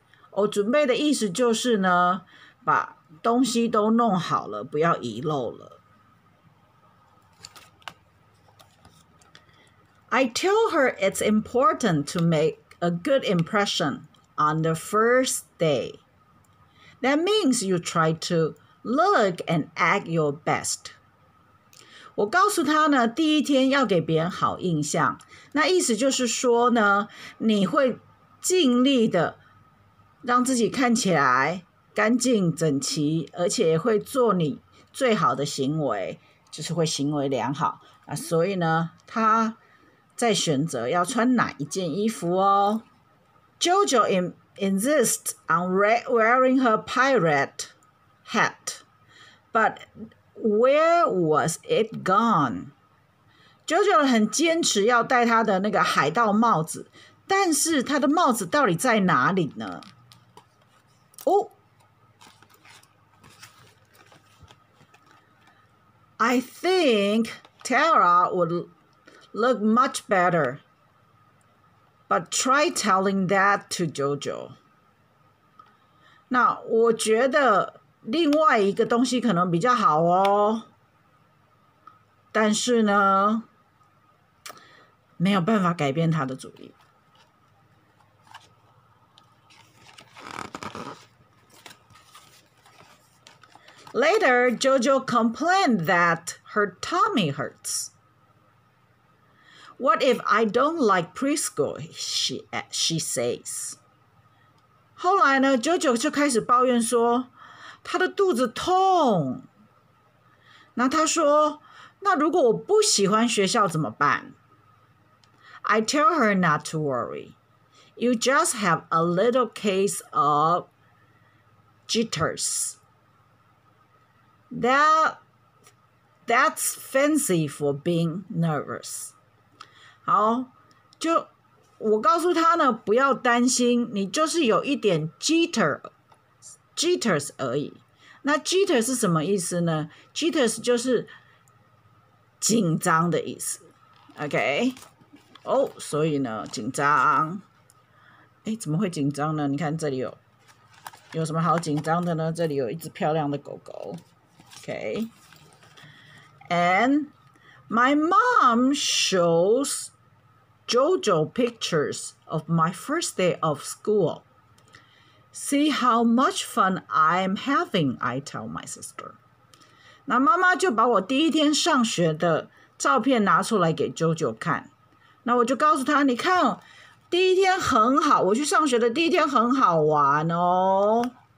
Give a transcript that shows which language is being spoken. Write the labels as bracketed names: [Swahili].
[Chinese] 哦，准备的意思就是呢，把东西都弄好了，不要遗漏了。 [English] I tell her it's important to make a good impression on the first day. That means you try to look and act your best. [Chinese] 我告诉他呢，第一天要给别人好印象，那意思就是说呢，你会尽力的让自己看起来干净整齐，而且会做你最好的行为，就是会行为良好啊。所以呢，他在选择要穿哪一件衣服哦。 [English] JoJo insists on wearing her pirate hat, but. Where was it gone? [Chinese] JoJo 很坚持要戴他的那个海盗帽子，但是他的帽子到底在哪里呢？哦， [English] I think Tara would look much better, but try telling that to JoJo. [Chinese] 那我觉得。另外一个东西可能比较好哦，但是呢，没有办法改变他的主意。 [English] Later, JoJo complained that her tummy hurts. What if I don't like preschool? She says. [Chinese] 后来呢 ，JoJo 就开始抱怨说。他的肚子痛，那他说，那如果我不喜欢学校怎么办 [English] ？I tell her not to worry. You just have a little case of jitters. That's fancy for being nervous. [Chinese] 好，就我告诉他呢，不要担心，你就是有一点 jitters 而已。那 jitter 是什么意思呢 ？jitters 就是紧张的意思 ，OK？哦、oh, ，所以呢，紧张，哎，怎么会紧张呢？你看这里有什么好紧张的呢？这里有一只漂亮的狗狗 ，OK？ [English] And my mom shows JoJo pictures of my first day of school. See how much fun I'm having, I tell my sister. [Chinese] 那妈妈就把我第一天上学的照片拿出来给啾啾看。那我就告诉他，你看，第一天很好，我去上学的第一天很好玩哦。